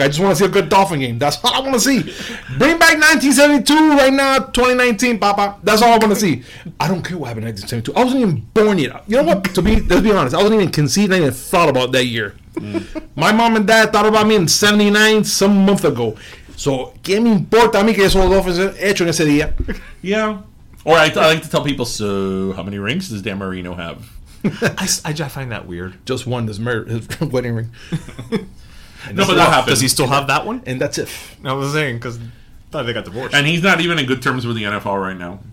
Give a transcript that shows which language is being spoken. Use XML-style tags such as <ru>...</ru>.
<en>I just want to see a good Dolphin game. That's all I want to see. Bring back 1972 right now, 2019, papa. That's all I want to see. I don't care what happened in 1972. I wasn't even born yet. You know what? Let's be honest. I wasn't even conceived. I even thought about that year. My mom and dad thought about me in 79 some month ago.</en> <es>So, ¿qué me importa a mí que eso los Dolphins hecho en ese día?</es> <en>Yeah. Or I like to tell people, so how many rings does Dan Marino have? I just find that weird. Just one, his wedding ring. No, but that happens. Does he still have that one? And that's it. I was saying, because I thought they got divorced. And he's not even in good terms with the NFL right now.</en>